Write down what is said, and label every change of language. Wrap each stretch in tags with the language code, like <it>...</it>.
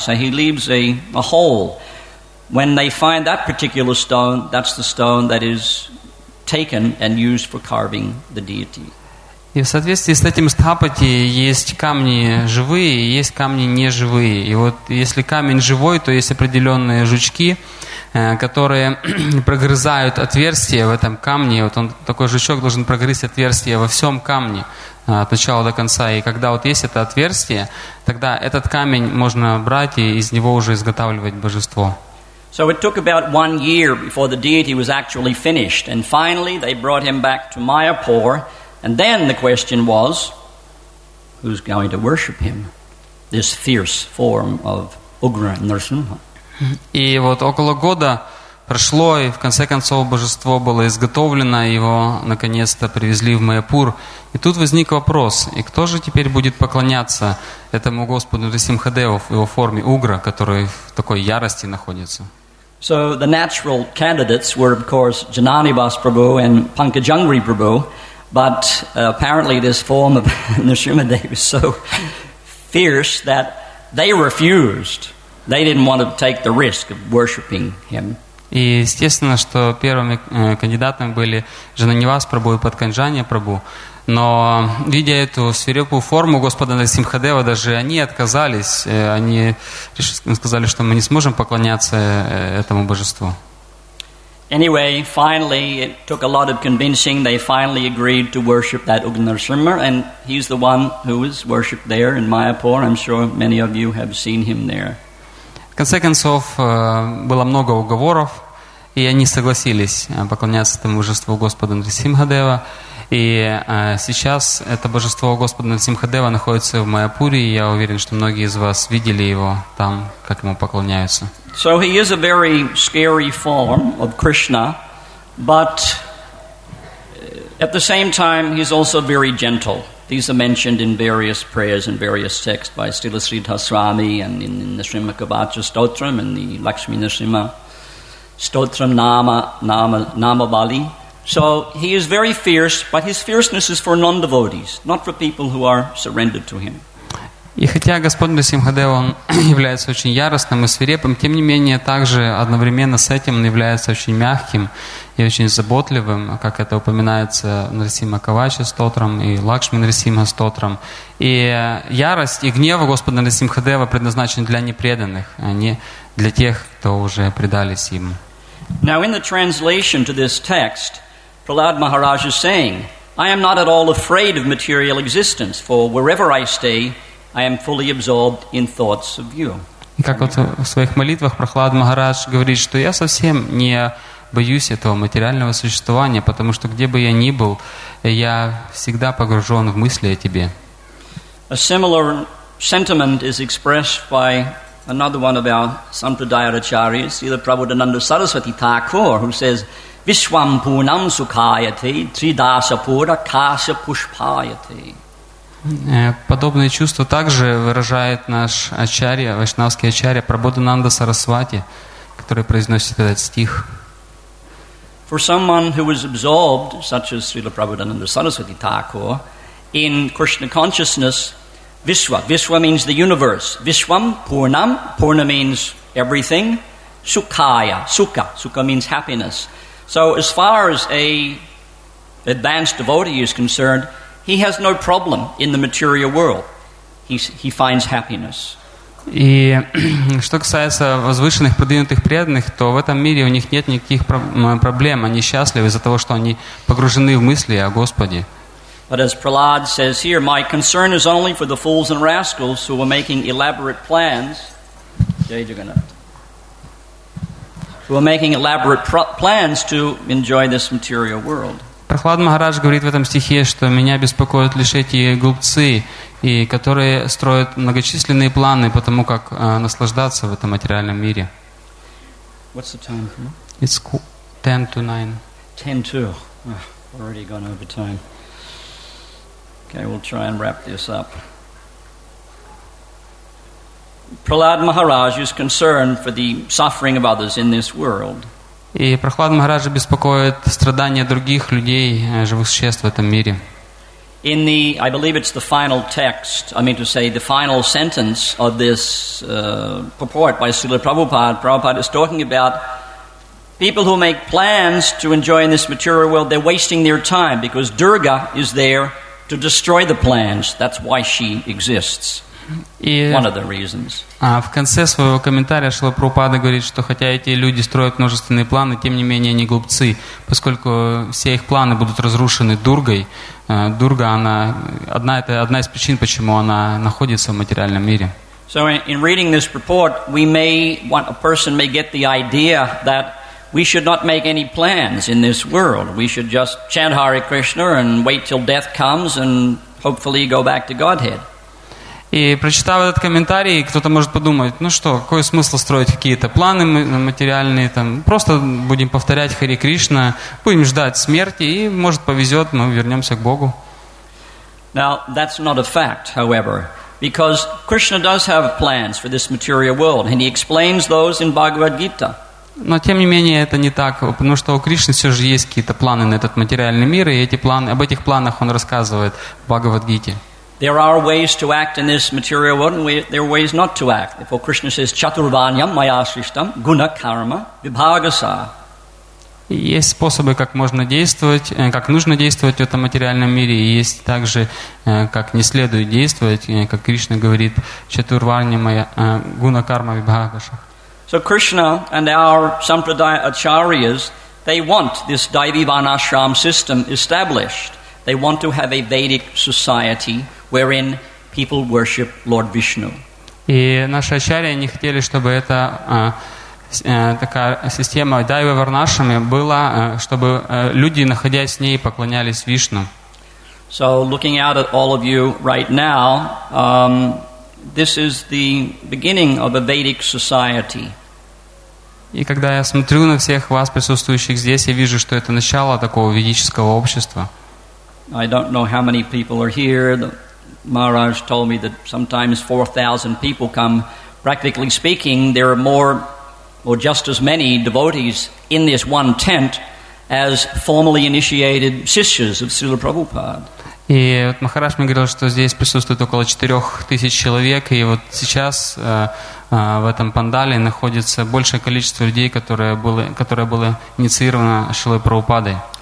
<en>So he leaves a hole. When they find that particular stone, that's the stone that is taken and used for carving the deity.</en> <ru>И в соответствии с этим стхапати есть камни живые, есть камни неживые. И вот если камень живой, то есть определенные жучки, которые прогрызают отверстие в этом камне. Вот он, такой жучок должен прогрызть отверстие во всем камне от начала до конца. И когда вот есть это отверстие, тогда этот камень можно брать и из него уже изготавливать божество.</ru> <en>So it took about 1 year before the deity was actually finished. And finally they brought him back to Mayapur. And then the question was, who's going to worship him, this fierce form of Ugra Nrsimha?</en> <ru>И вот около года прошло, и в конце концов божество было изготовлено, его наконец-то привезли в Майяпур. И тут возник вопрос, и кто же теперь будет поклоняться этому Господу Нрсимхадеву в его форме Угра, который в такой ярости находится?</ru> <en>So the natural candidates were, of course, Jnanivas Prabhu and Pankajangri Prabhu. But apparently this form of Nrsimhadev is so fierce that they refused. They didn't want to take the risk of worshipping him.</en> <ru>И естественно, что первыми кандидатами были Жананивас Прабу и Патканджанья Прабу. Но видя эту свирепую форму Господа Нарсимхадева, даже они отказались. Они сказали, что мы не сможем поклоняться этому божеству.</ru> <en>Anyway, finally, it took a lot of convincing. They finally agreed to worship that Ugnarsimha, and he's the one who is worshipped there in Mayapur. I'm sure many of you have seen him there.</en> <ru>В конце концов, было много уговоров, и они согласились поклоняться этому божеству Господа Нарсимхадева. И сейчас это божество Господа Нарсимхадева находится в Майяпуре, и я уверен, что многие из вас видели его там, как ему поклоняются.</ru> <en>So he is a very scary form of Krishna, but at the same time he's also very gentle. These are mentioned in various prayers and various texts by Srila Sridhaswami and in the Srimad Kavacha Stotram and the Lakshmi Nrisimha Stotram Namavali. So he is very fierce, but his fierceness is for non-devotees, not for people who are surrendered to him.</en> <ru>И хотя Господь Нарсимхадев является очень яростным и свирепым, тем не менее, также одновременно с этим он является очень мягким и очень заботливым, как это упоминается Нарсимха Кавача Стотрам и Лакшми Нарсимха Стотрам. И ярость и гнев Господа Нарсимхадева предназначены для непреданных, а не для тех, кто уже предались ему.</ru> <en>Now in the translation to this text, Prahlad Maharaj is saying, I am not at all afraid of material existence, for wherever I stay, I am fully absorbed in thoughts of you.</en> <ru>И как вот в своих молитвах Прахлад Махарадж говорит, что я совсем не боюсь этого материального существования, потому что где бы я ни был, я всегда погружен в мысли о тебе.</ru> <en>A similar sentiment is expressed by another one of our Sampradaya Acharyas, Srila Prabhudananda Saraswati Thakur, who says,</en> <sa>Vishwam Punam Sukhayate Tridasapura Kasha Pushpayate.</sa> <ru>Подобные чувства также выражает наш ачарья, вайшнавский ачарья Прабодхананда Сарасвати, который произносит этот стих.</ru> <en>For someone who is absorbed, such as Srila Prabhudananda Saraswati Thakur, in Krishna consciousness, Vishwa, Vishwa means the universe. Vishwam, Purnam, Purna means everything. Sukhaya, Sukha, Sukha means happiness. So as far as a advanced devotee is concerned, he has no problem in the material world. He finds happiness.</en> <ru>И что касается возвышенных продвинутых преданных, то в этом мире у них нет никаких проблем. Они счастливы из-за того, что они погружены в мысли о Господе.</ru> <en>But as Prahlad says here, my concern is only for the fools and rascals who are making elaborate plans. Jai Jagannath. Who are making elaborate plans to enjoy this material world.</en> <ru>Прахлад Махарадж говорит в этом стихе, что меня беспокоят лишь эти глупцы, и которые строят многочисленные планы по тому, как наслаждаться в этом материальном мире.</ru> <en>What's the time? It's 10 to 9. 10 to. Oh, already gone over time. Okay, we'll try and wrap this up. Prahlad Maharaj is concerned for the suffering of others in this world.</en> <ru>И Прахлад Махараджа беспокоит страдания других людей, живых существ в этом мире.</ru> <en>In the, I believe it's the final text, I mean to say, the final sentence of this purport by Srila Prabhupada, Prabhupada is talking about people who make plans to enjoy in this material world, they're wasting their time because Durga is there to destroy the plans. That's why she exists. One of the reasons.</en> <ru>В конце своего комментария Шрила Прабхупада говорит, что хотя эти люди строят множественные планы, тем не менее они глупцы, поскольку все их планы будут разрушены Дургой. Дурга, она одна, это одна из причин, почему она находится в материальном мире.</ru> <en>So in reading this report, we may want, a person may get the idea that we should not make any plans in this world. We should just chant Hare Krishna and wait till death comes and hopefully go back to Godhead.</en> <ru>И прочитав этот комментарий, кто-то может подумать, ну что, какой смысл строить какие-то планы материальные, там, просто будем повторять Хари Кришна, будем ждать смерти, и может повезет, мы вернемся к Богу.</ru> <en>Now, that's not a fact, however, because Krishna does have plans for this material world, and he explains those in Bhagavad-gita.</en> <ru>Но тем не менее это не так, потому что у Кришны все же есть какие-то планы на этот материальный мир, и эти планы, об этих планах он рассказывает в Бхагавад-гите.</ru> <en>There are ways to act in this material world, and there are ways not to act. Therefore, Krishna says,</en> <sa>Chaturvanyam maya srishtam, guna karma vibhagasa.</sa> <ru>Есть способы, как можно действовать, как нужно действовать в этом материальном мире, и есть также, как не следует действовать, как Кришна говорит,</ru> <sa>Чатурваньямая гуна карма вибхагаша.</sa> <en>So Krishna and our Sampradaya Acharyas, they want this Daivivanashram system established. They want to have a Vedic society wherein people worship Lord Vishnu.</en> <ru>И наши ачарьи не хотели, чтобы это такая система Дайва Варнашами была, чтобы люди, находясь в ней, поклонялись Вишну.</ru> <en>So, looking out at all of you right now, this is the beginning of a Vedic society.</en> <ru>И когда я смотрю на всех вас, присутствующих здесь, я вижу, что это начало такого ведического общества.</ru> <en>I don't know how many people are here. The Maharaj told me that sometimes 4,000 people come. Practically speaking, there are more or just as many devotees in this one tent as formally initiated sishyas of Srila Prabhupada.</en> <ru>И вот Махарадж мне говорил, что здесь присутствует около 4000 человек, и вот сейчас в этом пандале находится большее количество людей, которое было инициировано Шрилой Прабхупадой.</ru>